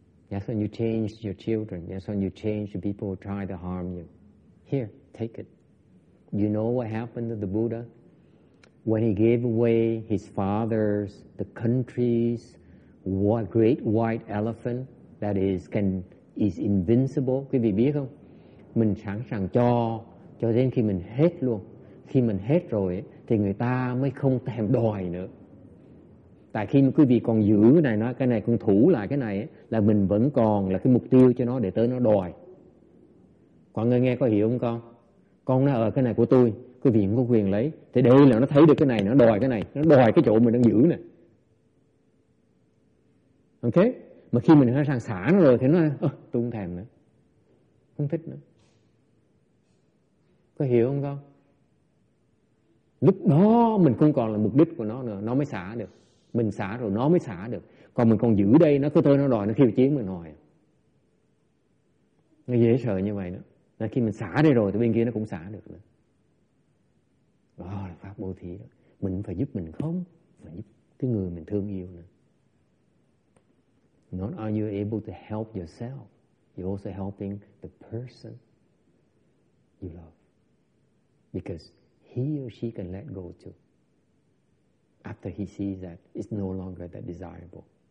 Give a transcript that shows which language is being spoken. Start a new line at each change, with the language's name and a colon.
English: That's when you change your children. That's when you change the people who try to harm you. Here, take it. You know what happened to the Buddha? When he gave away his father's, the country's, what great white elephant that is, can is invincible.
Vietnamese: Quý vị biết không? Mình sẵn sàng cho đến khi mình hết luôn. Khi mình hết rồi ấy, thì người ta mới không thèm đòi nữa. Tại khi quý vị còn giữ cái này còn thủ lại cái này ấy, là mình vẫn còn là cái mục tiêu cho nó để tới nó đòi. Mọi người nghe có hiểu không con? Con nói, cái này của tôi, quý vị cũng có quyền lấy. Thì đây là nó thấy được cái này, nó đòi cái này, nó đòi cái chỗ mình đang giữ nè. Ok? Mà khi mình sẵn sàng rồi thì nó nói, tôi không thèm nữa. Không thích nữa. Có hiểu không con? Lúc đó mình không còn là mục đích của nó nữa. Nó mới xả được. Mình xả rồi nó mới xả được. Còn mình còn giữ đây, nó cứ thôi nó đòi, nó khiêu chiến mình hoài. Nó dễ sợ như vậy đó. Là khi mình xả đây rồi thì bên kia nó cũng xả được nữa. Đó là pháp bồ thí đó. Mình phải giúp mình không? Phải giúp cái người mình thương yêu nữa.
English: Not are you able to help yourself, you're also helping the person you love. Because he or she can let go too. After he sees that it's no longer that desirable.